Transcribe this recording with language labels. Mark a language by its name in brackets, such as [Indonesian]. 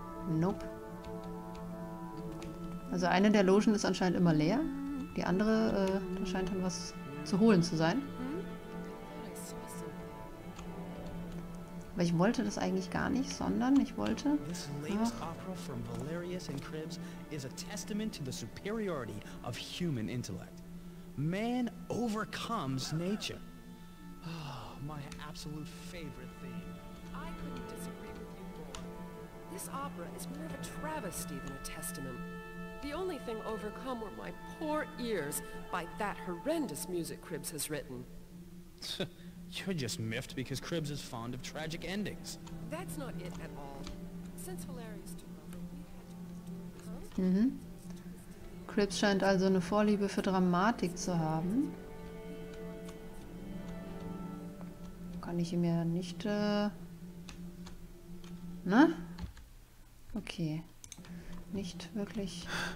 [English] Nope. [German] Also eine der Logen ist anscheinend immer leer. Die andere, da scheint dann was zu holen zu sein. Aber ich wollte das eigentlich gar nicht, sondern ich wollte... [English] This latest opera from Valerius and Cribs is a testament to the superiority of human intellect. Man overcomes nature. My absolute favorite theme. I couldn't disagree with you more. This opera is more of a travesty than a testament. The only thing overcome were my poor ears by that horrendous music Cribs has written. You're just miffed because Cribs is fond of tragic endings. That's not it at all. Since Valerius took over, we had to endure this. [German] Cribs scheint also eine Vorliebe für Dramatik zu haben. Kann ich ihm ja nicht, ne? Okay. Nicht wirklich...